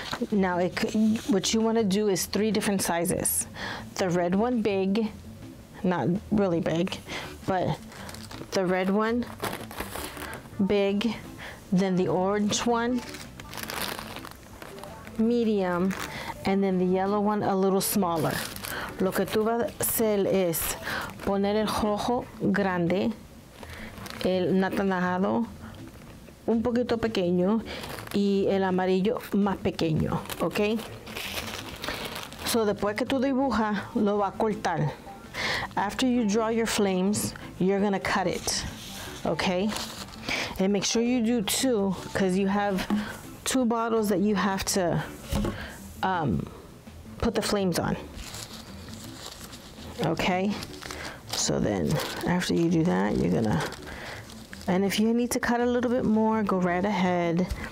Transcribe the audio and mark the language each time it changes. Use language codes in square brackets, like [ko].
[en] Now, what you want to do is three different sizes. The red one big, not really big, but the red one big, then the orange one medium, and then the yellow one a little smaller. [es] Lo que tú vas a hacer es poner el rojo grande, el naranjado un poquito pequeño, y el amarillo más pequeño, ¿ok? So después que tú dibujas, lo va a cortar. [en] After you draw your flames, you're gonna cut it, okay? And make sure you do two, because you have two bottles that you have to put the flames on. Okay, so then after you do that, you're gonna, and if you need to cut a little bit more, go right ahead.